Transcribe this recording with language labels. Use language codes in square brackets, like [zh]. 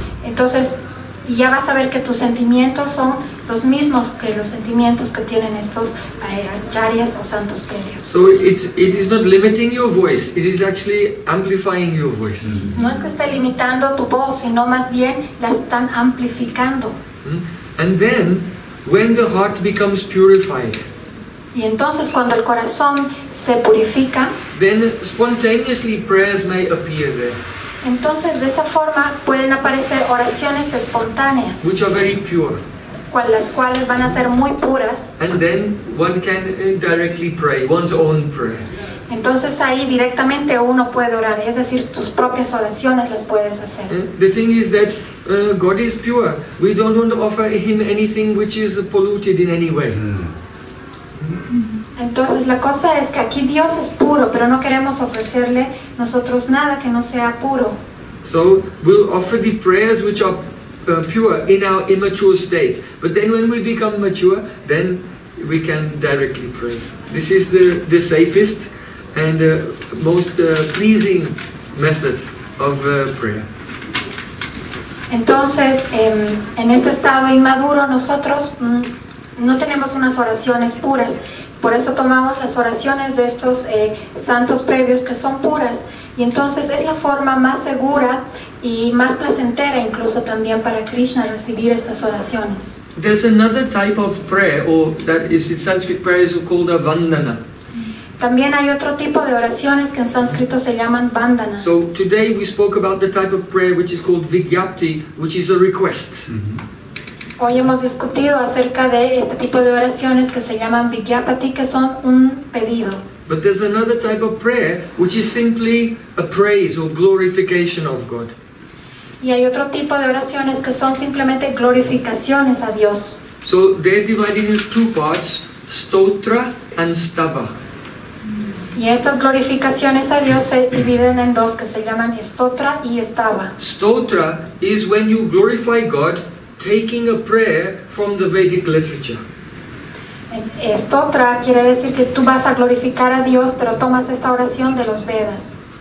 [es] Entonces ya vas a ver que tus sentimientos son los mismos que los sentimientos que tienen estos acharyas o santos previos. [en] So it is not limiting your voice, it is actually amplifying your voice. Mm. [es] No es que esté limitando tu voz, sino más bien la están amplificando. Mm. [en] And then, when the heart becomes purified, [es] y entonces cuando el corazón se purifica, [en] then spontaneously prayers may appear there. [es] Entonces, de esa forma pueden aparecer oraciones espontáneas, [en] which are very pure, [es] las cuales van a ser muy puras. [en] And then one can directly pray one's own prayer. [es] Entonces ahí directamente uno puede orar, es decir, tus propias oraciones las puedes hacer. [en] The thing is that God is pure. We don't want to offer him anything which is polluted in any way. [es] Entonces la cosa es que aquí Dios es puro, pero no queremos ofrecerle nosotros nada que no sea puro. [en] So we'll offer the prayers which are pure in our immature states, but then when we become mature, then we can directly pray. This is the safest and most pleasing method of prayer. [es] Entonces, en este estado inmaduro nosotros no tenemos unas oraciones puras. Por eso tomamos las oraciones de estos santos previos que son puras. Y entonces es la forma más segura y más placentera incluso también para Krishna recibir estas oraciones. [en] There's another type of prayer, or that is in Sanskrit prayers called a vandana. [es] También hay otro tipo de oraciones que en sánscrito se llaman vandana. [en] So today we spoke about the type of prayer which is called vigyapti, which is a request. Mm-hmm. [es] Hoy hemos discutido acerca de este tipo de oraciones que se llaman vigyapati, que son un pedido. [en] But there's another type of prayer which is simply a praise or glorification of God. [es] Y hay otro tipo de oraciones que son simplemente glorificaciones a Dios. [en] So they're divided into two parts, stotra and stava. [es] Y estas glorificaciones a Dios se dividen en dos, que se llaman stotra y stava. [en] Stotra is when you glorify God taking a prayer from the Vedic literature. [es] Estotra quiere decir que tú vas a glorificar a Dios, pero tomas esta oración de los Vedas.